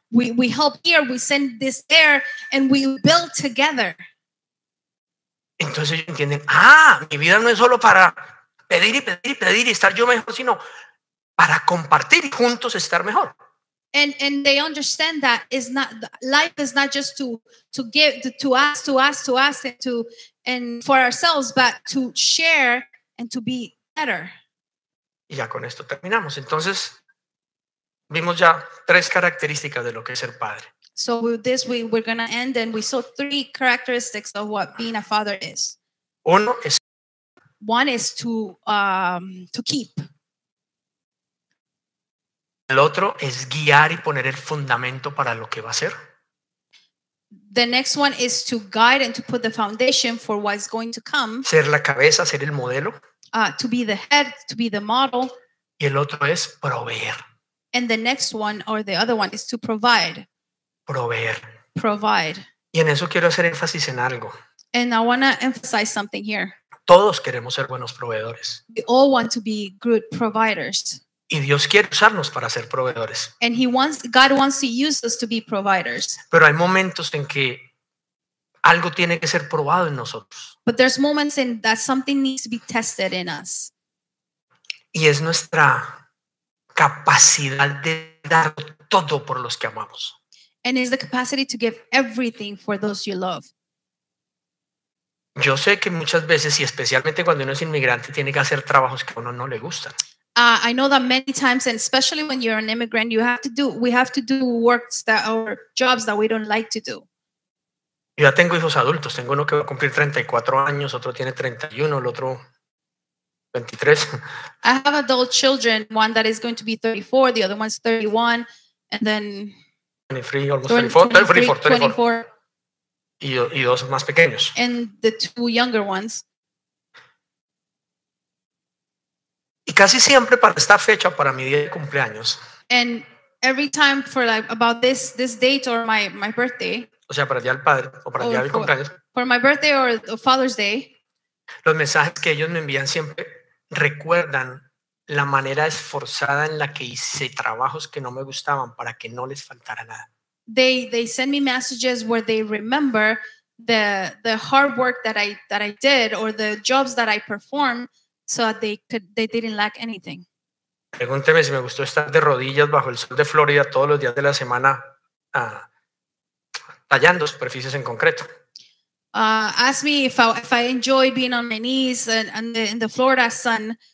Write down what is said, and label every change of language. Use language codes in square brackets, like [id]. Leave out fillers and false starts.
[en] We help here, we send this there, and we build together. [es] Entonces ellos entienden, mi vida no es solo para pedir y pedir y pedir y estar yo mejor, sino para compartir y juntos estar mejor. [en] And they understand that it's not, life is not just to give to us and to and for ourselves, but to share and to be better. [es] Y ya con esto terminamos. Entonces, vimos ya tres características de lo que es ser padre. [en] So with this, we're going to end, and we saw three characteristics of what being a father is. [es] Uno es... [en] One is to keep. [es] El otro es guiar y poner el fundamento para lo que va a ser. [en] The next one is to guide and to put the foundation for what's going to come. [es] Ser la cabeza, ser el modelo. [en] To be the head, to be the model. [es] Y el otro es proveer. [en] And the next one, or the other one, is to provide. [es] Proveer. [en] Provide. [es] Y en eso quiero hacer énfasis en algo. [en] And I want to emphasize something here. [es] Todos queremos ser buenos proveedores. [en] We all want to be good providers. [es] Y Dios quiere usarnos para ser proveedores. [en] And God wants to use us to be providers. [es] Pero hay momentos en que algo tiene que ser probado en nosotros. [en] But there's moments in that something needs to be tested in us. [es] Y es nuestra capacidad de dar todo por los que amamos. [en] And it's the capacity to give everything for those you love. [es] Yo sé que muchas veces, y especialmente cuando uno es inmigrante, tiene que hacer trabajos que a uno no le gustan. [en] I know that many times, and especially when you're an immigrant, we have to do works that or jobs that we don't like to do. [es] Yo ya tengo hijos adultos. Tengo uno que va a cumplir 34 años, otro tiene 31, el otro 23. [en] I have adult children, one that is going to be 34, the other one's 31, and then 23, almost 24. [es] Y dos más pequeños. [en] And the two younger ones. [es] Y casi siempre para esta fecha, para mi día de cumpleaños. [en] And every time for like about this date or my birthday. [es] O sea, para el día del padre o para el día del cumpleaños. [en] For my birthday or Father's Day. [es] Los mensajes que ellos me envían siempre recuerdan la manera esforzada en la que hice trabajos que no me gustaban para que no les faltara nada. [en] They send me messages where they remember the hard work that I did or the jobs that I performed. So they didn't lack anything. [es] Pregúnteme si me gustó estar de rodillas bajo el sol de Florida todos los días de la semana tallando superficies en concreto. [en] Ask me if I enjoy being on my knees in the Florida sun